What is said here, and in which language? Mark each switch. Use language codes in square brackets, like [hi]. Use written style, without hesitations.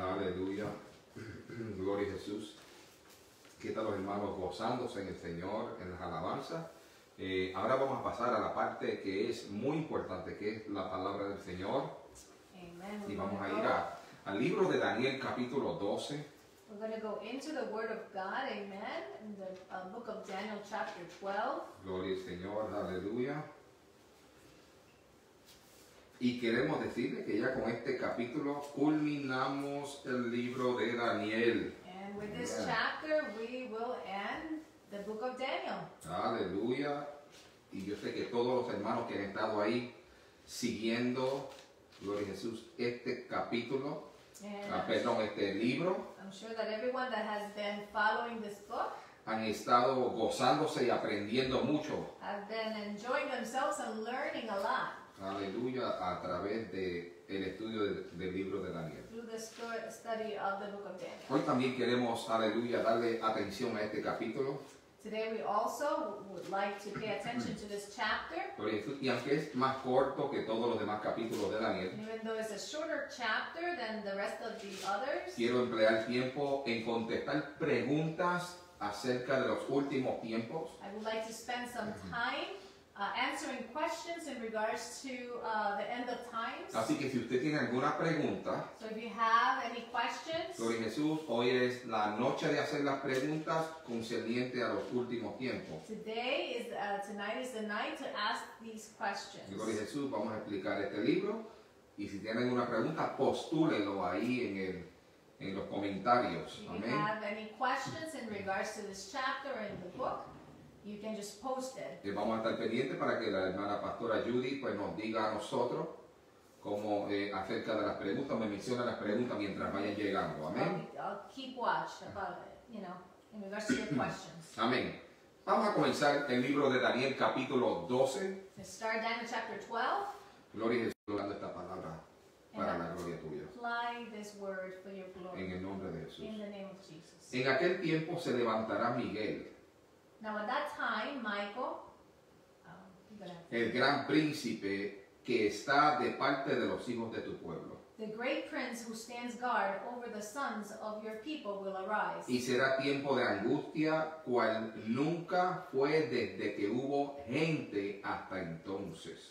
[es] Aleluya, gloria a Jesús. Aquí están los hermanos gozándose en el Señor, en las alabanzas. Ahora vamos a pasar a la parte que es muy importante, que es la palabra del Señor. Amen. Y vamos a ir al libro de Daniel, capítulo 12. [en] We're going to go into the Word of God, amen. The book of Daniel, chapter 12. [es] Gloria al Señor, aleluya. Y queremos decirle que ya con este capítulo culminamos el libro de Daniel. [en] And with this chapter, we will end the book of Daniel. [es] Aleluya. Y yo sé que todos los hermanos que han estado ahí siguiendo, gloria a Jesús, este capítulo, este libro, [en] I'm sure that everyone that has been following this book [es] han estado gozándose y aprendiendo mucho. [en] Have been enjoying themselves and learning a lot. [es] Aleluya, a través del estudio del libro de Daniel. [en] Through the study of the book of Daniel. [es] Hoy también queremos, aleluya, darle atención a este capítulo. [en] Today we also would like to pay attention to this chapter. [es] Y aunque es más corto que todos los demás capítulos de Daniel, [en] even though it's a shorter chapter than the rest of the others, [es] quiero emplear tiempo en contestar preguntas acerca de los últimos tiempos. [en] I would like to spend some time answering questions in regards to the end of times. [es] Así que si usted tiene alguna pregunta, [en] so if you have any questions, [es] gloria a Jesús, hoy es la noche de hacer las preguntas concerniente a los últimos tiempos. [en] Today is tonight is the night to ask these questions. [es] Gloria a Jesús, vamos a explicar este libro y si tiene alguna pregunta, postúlelo ahí en los comentarios. [en] If you have any questions in regards to this chapter in the book, you can just post it. [es] Y vamos a estar pendientes para que la hermana pastora Judy pues nos diga a nosotros cómo acerca de las preguntas, me menciona las preguntas mientras vayan llegando. Amén. [en] I'll keep watch about it, you know, in regards to your questions. [es] Amén. Vamos a comenzar el libro de Daniel, capítulo 12. [en] Let's start Daniel chapter 12. [es] Gloria a Jesús, dando esta palabra para la gloria tuya. [en] Apply this word for your glory. [es] En el nombre de Jesús. [en] In the name of Jesus. [es] En aquel tiempo se levantará Miguel. [en] Now at that time, Michael, [es] el gran príncipe que está de parte de los hijos de tu pueblo, [en] the great prince who stands guard over the sons of your people will arise. [es] Y será tiempo de angustia cual nunca fue desde que hubo gente hasta entonces.